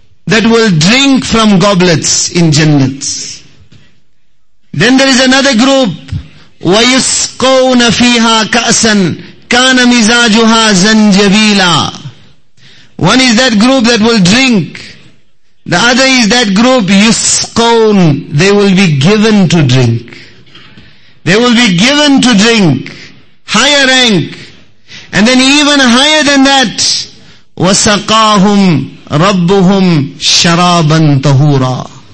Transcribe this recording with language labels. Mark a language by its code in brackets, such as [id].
[en] that will drink from goblets in Jannat. Then there is another group, [ar] وَيُسْقَوْنَ فِيهَا كَأْسًا كَانَ مِزَاجُهَا زَنْجَبِيلًا. [en] One is that group that will drink. The other is that group, [ar] يُسْقَوْنَ, [en] they will be given to drink. They will be given to drink. Higher rank. And then even higher than that, [ar] وَسَقَاهُمْ رَبُّهُمْ شَرَابًا طَهُورًا.